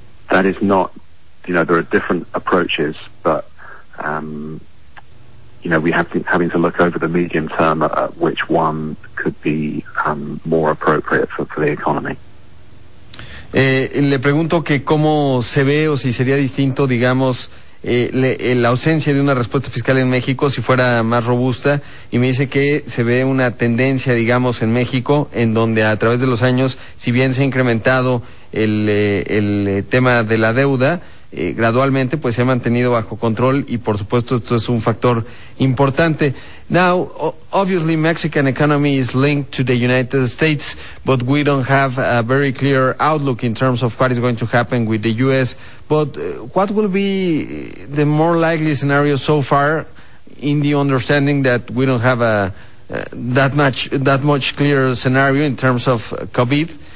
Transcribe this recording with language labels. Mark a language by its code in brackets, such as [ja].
[en] That is not, you know, there are different approaches, but we have been having to look over the medium term at which one could be more appropriate for the economy. [es] Le pregunto que cómo se ve, o si sería distinto, digamos, la ausencia de una respuesta fiscal en México, si fuera más robusta, y me dice que se ve una tendencia, digamos, en México, en donde a través de los años, si bien se ha incrementado el tema de la deuda, gradualmente, pues, se ha mantenido bajo control, y por supuesto esto es un factor importante. [en] Now, obviously, Mexican economy is linked to the United States, but we don't have a very clear outlook in terms of what is going to happen with the U.S. But what will be the more likely scenario so far, in the understanding that we don't have that much clear scenario in terms of COVID?